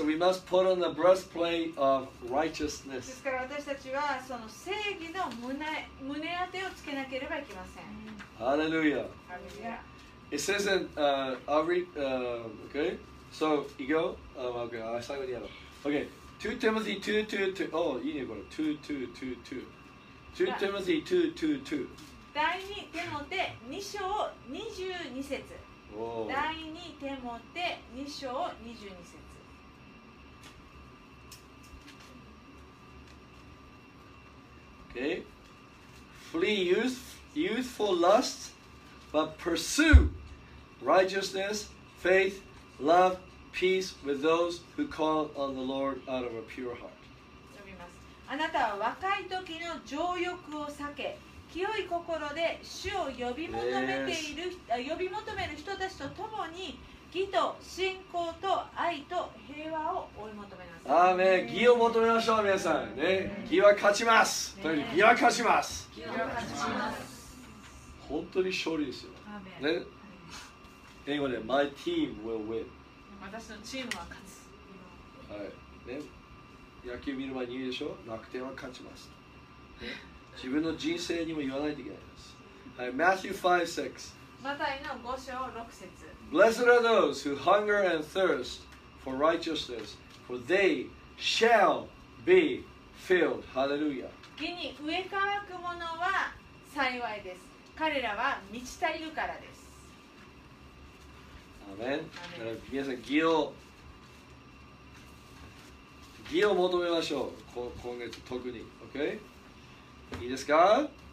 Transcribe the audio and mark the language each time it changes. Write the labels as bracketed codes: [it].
[en] Okay, so we must put on the breastplate of righteousness. [ja] ですから私たちはその正義の 胸当てをつけなければいけません。 [en] Hallelujah. It says in okay, so you go. Okay, [ja] 最後にやろう。 [en] Okay, 2 Timothy 2, 2, 2. Oh, [ja] いいね、これ [en] 2, 2, 2, 2. 2 Timothy 2:2:2. [ja] 第2テモテ2章22節。第2テモテ2章22節。 [en] Okay. Flee youthful lust, but pursue righteousness, faith, love, peace with those who call on the Lord out of a pure heart. [ja] あなたは若い時の情欲を避け、清い心で主を呼び求めている、yes. 呼び求める人たちと共に義と信仰と愛と平和を追い求めなさい。アーメン。義を求めましょう、皆さん。ね、義は勝ちます。ね、という義は勝ちます。義は勝ちます。本当に勝利ですよ。ね、英語で [en] My team will win。 [ja] 私のチームは勝つ。はい。ね。野球見る前に言うでしょ、楽天は勝ちます。自分の人生にも言わないといけないです。 [en] はい、Matthew 5, 6. [ja] マタイの5章6節。 [en] Blessed are those who hunger and thirst for righteousness, for they shall be filled. Hallelujah. [ja] 義に飢え渇く者は幸いです。彼らは満ち足りるからです。アメン。皆さん、義を義を求めましょう。今月特に、OK? いいですか？